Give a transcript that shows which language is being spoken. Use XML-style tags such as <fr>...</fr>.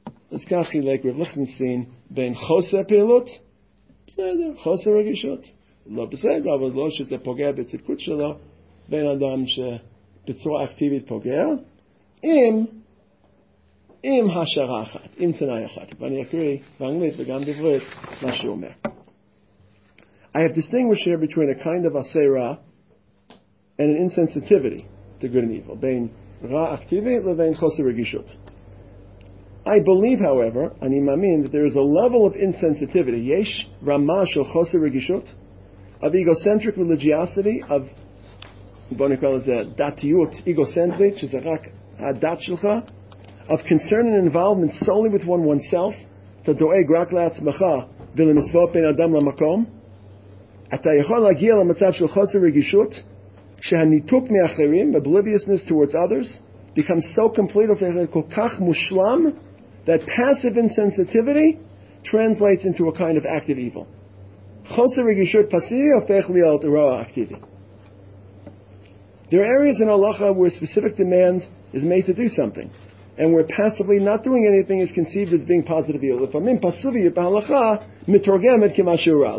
<he>אז כך חילק רב ליכטנשטיין בין חוסר פעילות, בסדר, חוסר רגישות, לא בסדר, אבל לא שזה פוגע בצדקות שלו, בין אדם שבצורה אקטיבית פוגע, עם השערה אחת, עם תנאי אחת. ואני אקריא באנגלית וגם בעברית מה שהוא אומר.</he> <en>I have distinguished here between a kind of asera and an insensitivity to good and evil,</en> <he>בין רע אקטיבי לבין חוסר רגישות.</he> <en>I believe, however,</en> <he>אני מאמין,</he> <en>that there is a level of insensitivity,</en> <he>יש רמה של חוסר רגישות,</he> <en>of egocentric religiosity, of,</en> <he>בוא נקרא לזה, דתיות egocentric, שזה רק הדת שלך,</he> <en>of concern and involvement solely with oneself,</en> <he>אתה דואג רק לעצמך ולמצוות בין אדם למקום, אתה יכול להגיע למצב של חוסר רגישות, שהניתוק מאחרים,</he> <en>obliviousness towards others, becomes so complete,</en> <he>הופך כל כך מושלם,</he> <en>that passive insensitivity translates into a kind of active evil.</en> <he>חוסר רגישות פסיבי הופך להיות רוע אקטיבי.</he> <en>There are areas in halacha where specific demand is made to do something, and where passively not doing anything is conceived as being positive evil.</en> <he>לפעמים פסיבי בהלכה מתורגמת כמשהו רע.</he>